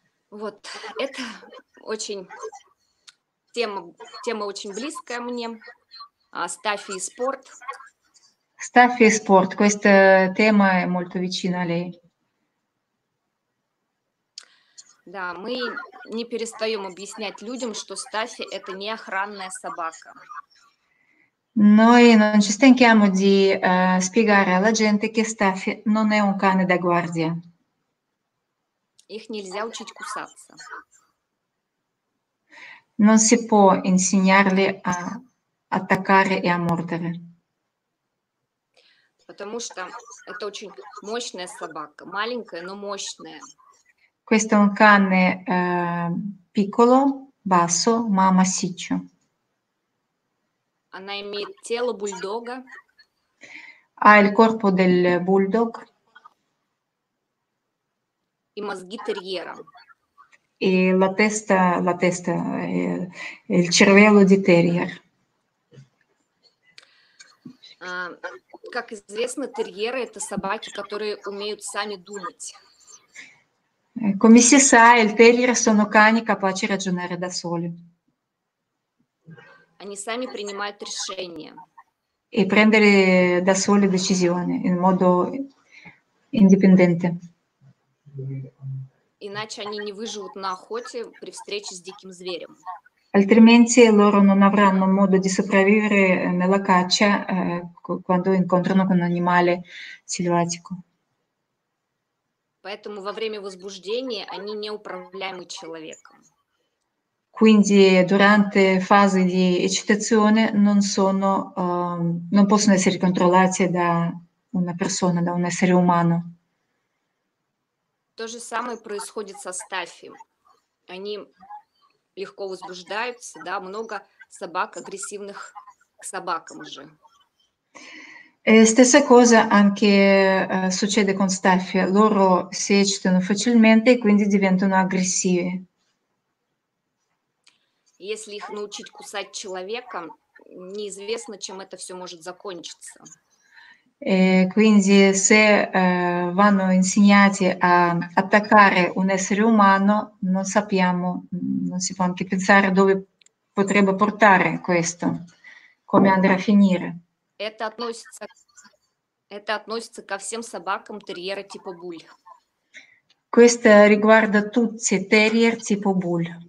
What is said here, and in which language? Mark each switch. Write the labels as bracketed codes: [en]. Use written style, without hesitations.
[ru] Вот это очень тема очень близкая мне. Стафи и спорт. Стафи и спорт. [it] Questa tema è molto vicina a lei. [ru] Да, мы не перестаем объяснять людям, что Стафи – это не охранная собака. [it] Noi non ci stanchiamo di spiegare alla gente che Стафи non è un cane da guardia. [ru] Их нельзя учить кусаться. [it] Non si può insegnarli a attaccare e a mordere. [ru] Потому что это очень мощная собака, маленькая, но мощная. [it] Questo è un cane piccolo, basso, ma massiccio. [ru] Она имеет тело бульдога. [it] Ha il corpo del bulldog. [ru] И мозги терьера. [it] E la testa, il cervello di terrier. [ru] Как известно, терьеры – это собаки, которые умеют сами думать. [it] Come si sa, i terrier sono cani capaci di ragionare da soli. [ru] Они сами принимают решения. [it] E prendere da soli decisioni in modo indipendente. [ru] Иначе они не выживут на охоте при встрече с диким зверем. [it] Altrimenti loro non avranno modo di sopravvivere nella caccia quando incontrano con un animale selvatico. [ru] Поэтому во время возбуждения они неуправляемы человеком. [it] Quindi durante fase di eccitazione non possono essere controllati da una persona, da un essere umano. [ru] То же самое происходит со Стафи. Они легко возбуждаются, да, много собак агрессивных к собакам же. [it] Stessa cosa anche succede con Staffia. Loro si eccitano facilmente e quindi diventano aggressivi. [ru] Если их научить кусать человека, неизвестно, чем это все может закончиться. [it] Quindi se vanno insegnati a attaccare un essere umano, non sappiamo, non si può anche pensare dove potrebbe portare questo, come andrà a finire. [ru] Это относится ко всем собакам терьера типа буль. [it] Questo riguarda tutti terrier tipo bull.